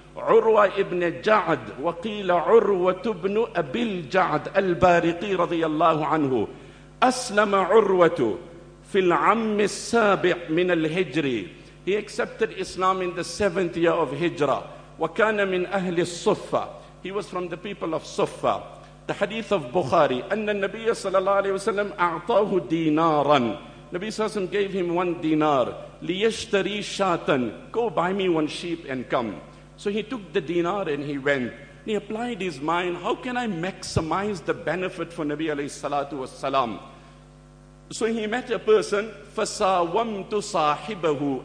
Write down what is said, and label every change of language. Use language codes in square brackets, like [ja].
[ar] عروة ابن جعد وقيل عروة ابن أبي الجعد البارقي رضي الله عنه. أسلم عروة في العام السابع من الهجر. [en] He accepted Islam in the 7th year of Hijra. [ar] وكان من أهل الصفة. [en] He was from the people of Suffa. The hadith of Bukhari. [ar] أن النبي صلى الله عليه وسلم أعطاه دينارا. [en] Nabi Sassim gave him one dinar. [ar] لِيَشْتَرِي شَاتًا. [en] Go buy me one sheep and come. So he took the dinar and he went. He applied his mind, how can I maximize the benefit for Nabi alayhi salatu was salam? So he met a person, [ar] فَسَاوَمْتُ صَاحِبَهُ.